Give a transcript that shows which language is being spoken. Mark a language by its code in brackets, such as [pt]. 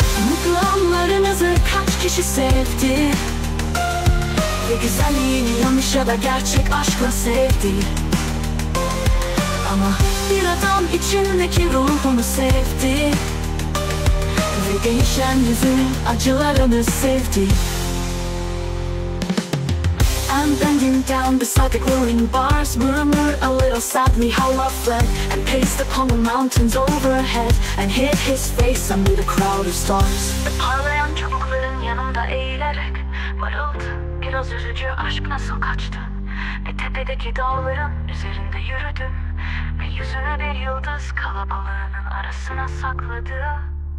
[tr] Mutlu anlarınızı kaç kişi sevdi, ve güzelliğini yanlış ya da gerçek aşkla sevdi. Ama bir adam içindeki ruhunu sevdi, değişen yüzün acılarını sevdi. [en] I'm bending down beside the glowing bars, murmur a little sadly how love fled, and paced upon the mountains overhead, and hid his face amid a crowd of stars. [tr] Parlayan çubukların yanında eğilerek mırıldı, biraz üzücü aşk nasıl kaçtı. Bir tepedeki dağların üzerinde yürüdüm, ve yüzünü bir yıldız kalabalığının arasına sakladı.